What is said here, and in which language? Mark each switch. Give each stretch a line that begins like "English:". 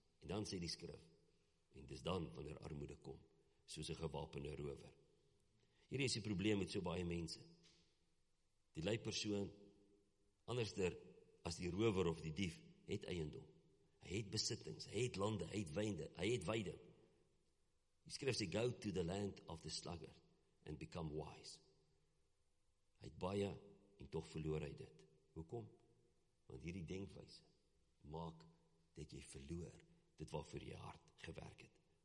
Afrikaans: En dan sê die skrif, en dis dan wanneer armoede kom, soos 'n gewapende rower. Hier is die probleem met so baie mense. Die lui persoon, anderster, as die rower of die dief, het eiendom, hy het besittings, hy het lande, hy het weide. Die skrif sê,
English: go to the land of the sluggard and become wise.
Afrikaans: Hy het baie en toch verloor hy dit. Hoekom? Want hierdie denkwyse maak dat jy verloor dit wat vir jy hard gewerk het.